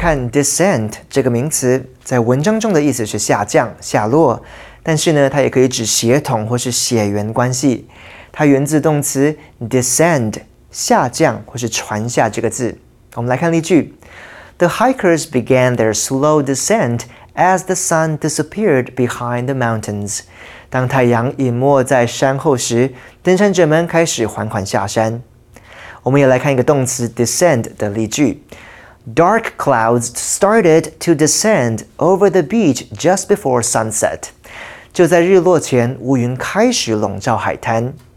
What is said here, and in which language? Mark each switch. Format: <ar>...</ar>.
<zh>Descent 这个名词在文章中的意思是下降、下落，但是呢，它也可以指血统或是血缘关系。它源自动词 descend 下降或是传下这个字。我们来看例句</zh> <en>：The hikers began their slow descent as the sun disappeared behind the mountains.</en> <zh>当太阳隐没在山后时，登山者们开始缓缓下山。我们也来看一个动词 descend 的例句。</zh> <en>Dark clouds started to descend over the beach just before sunset.</en> <zh>就在日落前，乌云开始笼罩海滩。</zh>